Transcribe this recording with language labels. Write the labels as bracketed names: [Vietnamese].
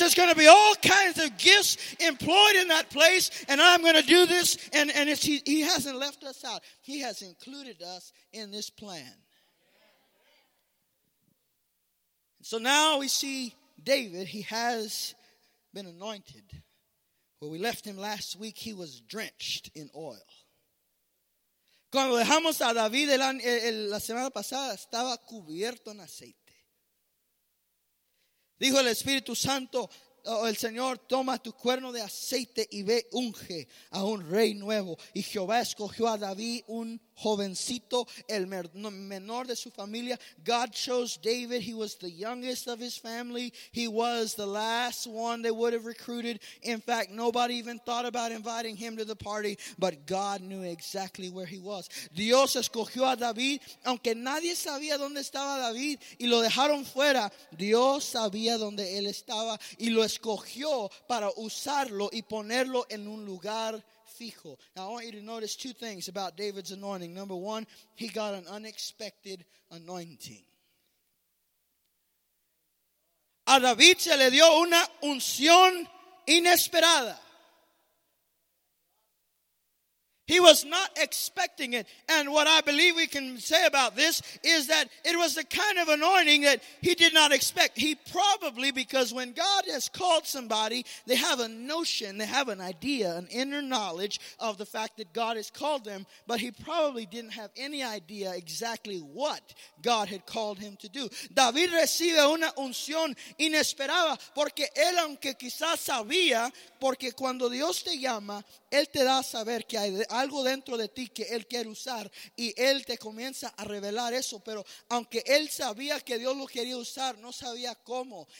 [English] There's going to be all kinds of gifts employed in that place, and I'm going to do this. And it's, he hasn't left us out. He has included us in this plan. So now we see David, he has been anointed. Where we left him last week, he was drenched in oil. [Spanish] Cuando dejamos a David la semana pasada, estaba cubierto en aceite. Dijo el Espíritu Santo, el Señor, toma tu cuerno de aceite y ve, unge a un rey nuevo. Y Jehová escogió a David, un jovencito, el menor de su familia. [English] God chose David. He was the youngest of his family. He was the last one they would have recruited. In fact, nobody even thought about inviting him to the party, but God knew exactly where he was. [Spanish] Dios escogió a David, aunque nadie sabía dónde estaba David y lo dejaron fuera. Dios sabía dónde él estaba y lo escogió para usarlo y ponerlo en un lugar. [English] Now, I want you to notice two things about David's anointing. Number one, he got an unexpected anointing. [Spanish] A David se le dio una unción inesperada. [English] He was not expecting it. And what I believe we can say about this is that it was the kind of anointing that he did not expect. He probably, because when God has called somebody, they have a notion, they have an idea, an inner knowledge of the fact that God has called them. But he probably didn't have any idea exactly what God had called him to do. [Spanish] David recibe una unción inesperada porque él, aunque quizás sabía, porque cuando Dios te llama, él te da a saber que hay algo dentro de ti que él quiere usar y él te comienza a revelar eso, pero aunque él sabía que Dios lo quería usar, no sabía cómo.